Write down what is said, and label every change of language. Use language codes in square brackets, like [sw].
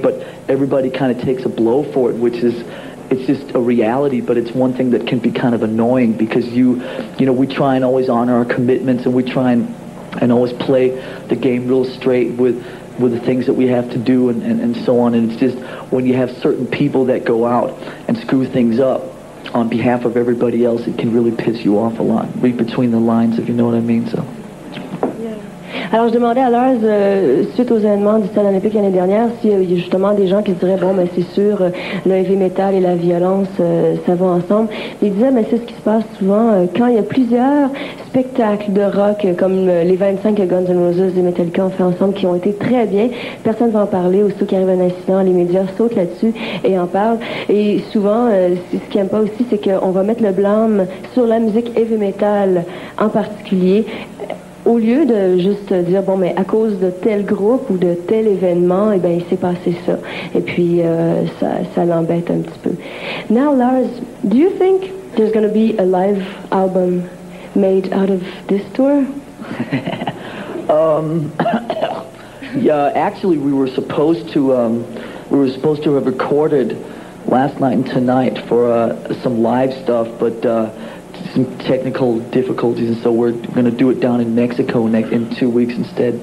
[en] But everybody kind of takes a blow for it, which is, it's just a reality, but it's one thing that can be kind of annoying, because you know, we try and always honor our commitments, and we try and always play the game real straight with the things that we have to do and so on. And it's just when you have certain people that go out and screw things up on behalf of everybody else, it can really piss you off a lot, read between the lines, if you know what I mean. So [fr] alors, je demandais à Lars, suite aux événements du Stade Olympique l'année dernière, s'il y a justement des gens qui diraient, bon, mais c'est sûr, le heavy metal et la violence, ça va ensemble. Il disait, mais c'est ce qui se passe souvent quand il y a plusieurs spectacles de rock, comme les 25 Guns N' Roses et Metallica ont fait ensemble, qui ont été très bien. Personne ne va en parler. Aussitôt qu'il arrive un incident, les médias sautent là-dessus et en parlent. Et souvent, ce qu'ils n'aiment pas aussi, c'est qu'on va mettre le blâme sur la musique heavy metal en particulier. Au lieu de juste dire, bon, mais à cause de tel groupe ou de tel événement, eh bien, il s'est passé ça. Et puis, ça l'embête un petit peu. [en] Now, Lars, do you think there's going to be a live album made out of this tour? yeah, actually, we were supposed to have recorded last night and tonight for some live stuff, but some technical difficulties, and so we're going to do it down in Mexico in 2 weeks instead.